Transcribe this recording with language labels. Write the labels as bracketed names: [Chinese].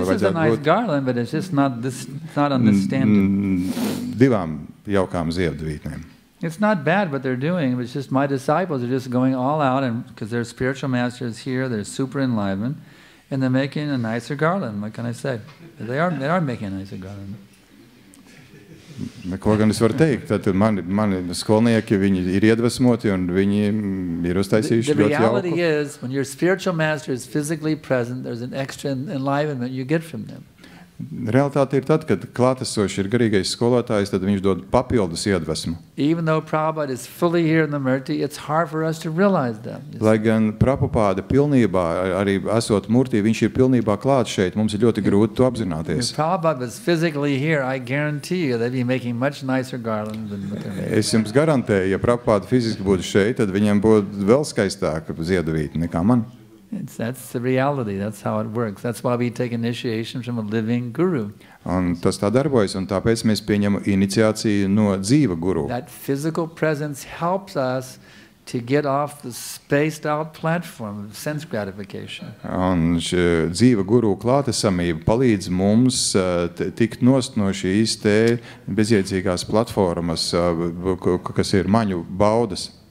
[English] this is a nice garland, but it's just not this, not on this standard. [Latvian] Divām jaukām ziedu vītnēm. [English] It's not bad what they're doing, but it's just my disciples are just going all out, and because their spiritual master is here, they're super enlivened, and they're making a nicer garland. What can I say? They are making a nicer garland. [Latvian] Neko gan es varu teikt, tad mani skolnieki, viņi ir iedvesmoti un viņi ir uztaisījuši ļoti jauku. [English] The reality is, when your spiritual master is physically present, there's an extra enlivenment you get from them. [Latvian] Realitāte ir tad, kad klātesoši ir garīgais skolotājs, tad viņš dod papildus iedvesmu. [English] Even though Prabhupada is fully here in the murti, it's hard for us to realize them. [Latvian] Lai gan Prabhupāda pilnībā, arī esot murti, viņš ir pilnībā klāts šeit, mums ir ļoti grūti to apzināties. [English] If Prabhupada was physically here, I guarantee you that he'd be making much nicer garlands than what they're making. [Latvian] Es jums garantēju, ja Prabhupāda fiziski būtu šeit, tad viņam būtu vēl skaistāka ziedu vītne nekā man. [English] That's the reality. That's how it works. That's why we take initiation from a living guru. [Latvian] Un tas tā darbojas, un tāpēc mēs pieņemam iniciāciju no dzīva guru. [English] That physical presence helps us to get off the spaced out platform of sense gratification. [Latvian] Un šī dzīva guru klātesamība palīdz mums tikt nost no šīs te bezjēdzīgās platformas, kas ir maņu baudas.